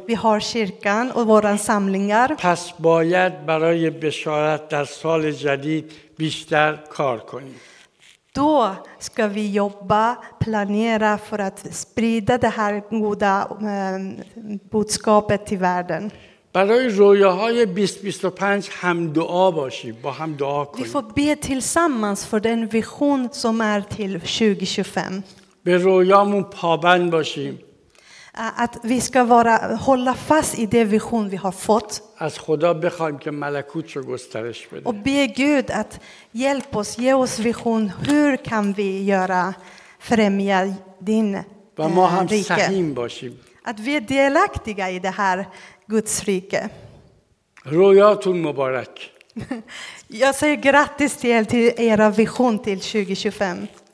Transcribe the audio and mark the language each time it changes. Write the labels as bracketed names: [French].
[Swedish] Vi har kyrkan och våra samlingar. [Persian] پس باید برای بشارت در سال جدید بیشتر کار کنیم. [Swedish] Då ska vi jobba, planera för att sprida det här goda budskapet till världen. [Persian] برای رویاهای 2025 هم دعا باشی، با هم دعا کنیم. [Swedish] Vi får be tillsammans för den vision som är till 2025. [Persian] به رویامون پابند باشیم. [Swedish] Att vi ska vara hålla fast i den vision vi har fått. [Persian] از خدا بخوایم که ملکوت رو گسترش بده. [Swedish] Och be Gud att hjälp oss, ge oss vision. Hur kan vi göra främja din rike? [Persian] و ما هم سهیم باشیم. [Swedish] Att vi är delaktiga i det här Guds rike. [Persian] Rojatun mubarak. [Swedish] Jag säger grattis till era vision till 2025.